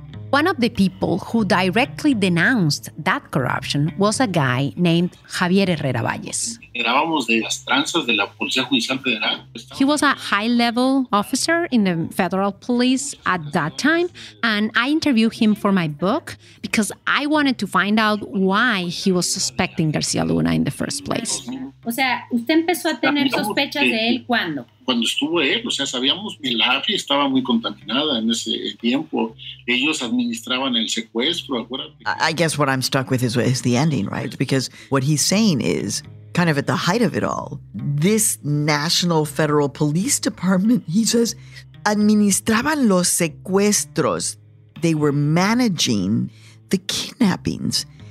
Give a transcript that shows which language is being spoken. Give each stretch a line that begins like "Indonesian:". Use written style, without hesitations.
English: One of the people who directly denounced that corruption was a guy named Javier Herrera Valles. He was a high-level officer in the federal police at that time, and I interviewed him for my book because I wanted to find out why he was suspecting García Luna in the first place.
Spanish: O sea, usted empezó a tener sospechas de él cuando. Cuando estuvo él, o sea, sabíamos que la AFI estaba muy contaminada en ese tiempo. Ellos administraban el secuestro, acuérdate.
English: I guess what I'm stuck with is the ending, right? Because what he's saying is, kind of at the height of it all, this National Federal Police Department, he says,
Spanish: administraban los secuestros.
English: They were managing the kidnappings.